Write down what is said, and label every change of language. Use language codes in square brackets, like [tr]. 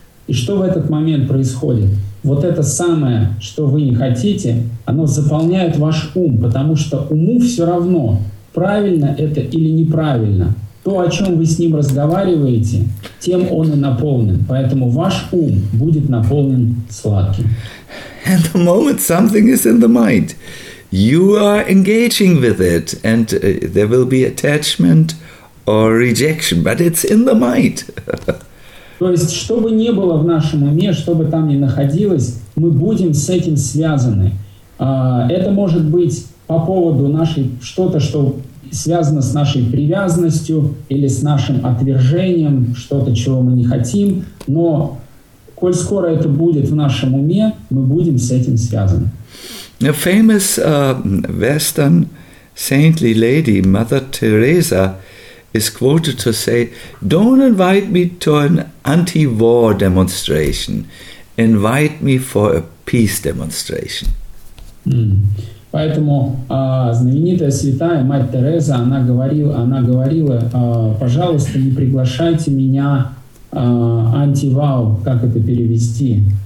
[ru] И что в этот момент происходит? Вот это самое, что вы не хотите, оно заполняет ваш ум, потому что уму все равно, правильно это или неправильно. То, о чем вы с ним разговариваете, тем он и наполнен. Поэтому ваш ум будет наполнен сладким. [en] And the moment something is in the mind, you are engaging with it, and there will be attachment or rejection, but it's in the mind. [ru] То есть, что бы ни было в нашем уме, что бы там ни находилось, мы будем с этим связаны. Это может быть по поводу нашей что-то, что связано с нашей привязанностью или с нашим отвержением, что-то, чего мы не хотим, но коль скоро это будет в нашем уме, мы будем с этим связаны. [en] A famous Western saintly lady, Mother Teresa, is quoted to say, "Don't invite me to an anti-war demonstration. Invite me for a peace demonstration." [ru] Поэтому знаменитая святая Мать Тереза, она говорила, пожалуйста, не приглашайте меня антивау, как это перевести?